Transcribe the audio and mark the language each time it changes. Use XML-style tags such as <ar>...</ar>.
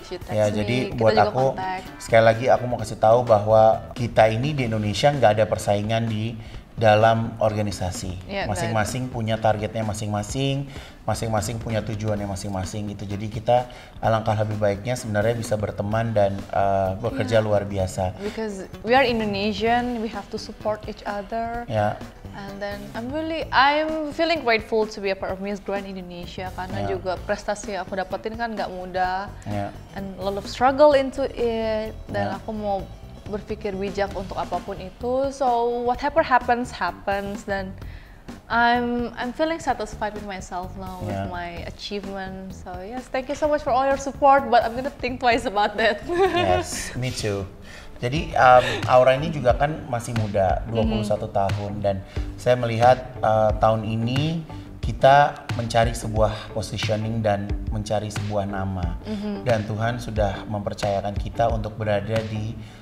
<id>Jadi kita buat aku kontak. Sekali lagi aku mau kasih tahu bahwa kita ini di Indonesia nggak ada persaingan di dalam organisasi, masing-masing punya targetnya masing-masing punya tujuannya masing-masing gitu. Jadi kita alangkah lebih baiknya sebenarnya bisa berteman dan bekerja luar biasa.</id> <en>Because we are Indonesian, we have to support each other. And then I'm feeling grateful to be a part of Miss Grand Indonesia</en> <id>karena juga prestasi yang aku dapetin kan nggak mudah.</id> <en>And a lot of struggle into it.</en> <id>Dan aku mau berpikir bijak untuk apapun itu.</id> <en>So whatever happens dan I'm feeling satisfied with myself now with my achievement. So yes, thank you so much for all your support, but I'm gonna think twice about that. Yes, me too.</en> <id>Jadi Aura ini juga kan masih muda, 21 tahun, dan saya melihat tahun ini kita mencari sebuah positioning dan mencari sebuah nama. Dan Tuhan sudah mempercayakan kita untuk berada di</id>